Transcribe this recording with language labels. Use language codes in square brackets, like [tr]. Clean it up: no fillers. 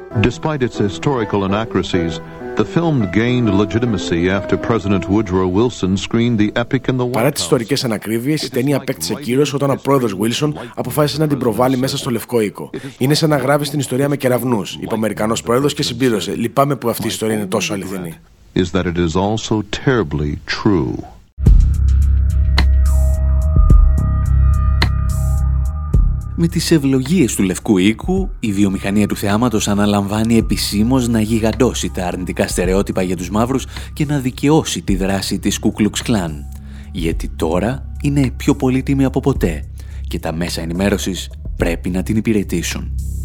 [en] Despite its historical inaccuracies, the film gained legitimacy after President Woodrow Wilson screened the epic in the White House. [el] Παρά τις ιστορικές ανακρίβειες, η ταινία απέκτησε κύρος όταν ο πρόεδρος Wilson αποφάσισε να την προβάλλει μέσα στο Λευκό Οίκο. Είναι σαν να γράφεις την ιστορία με κεραυνούς, είπε ο Αμερικανός πρόεδρος και συμπλήρωσε. Λυπάμαι που αυτή η ιστορία είναι τόσο αληθινή. [en] Is that it is also terribly true. [el] Με τις ευλογίες του Λευκού Οίκου, η βιομηχανία του θεάματος αναλαμβάνει επισήμως να γιγαντώσει τα αρνητικά στερεότυπα για τους μαύρους και να δικαιώσει τη δράση της Ku Klux Klan. Γιατί τώρα είναι πιο πολύτιμη από ποτέ και τα μέσα ενημέρωσης πρέπει να την υπηρετήσουν.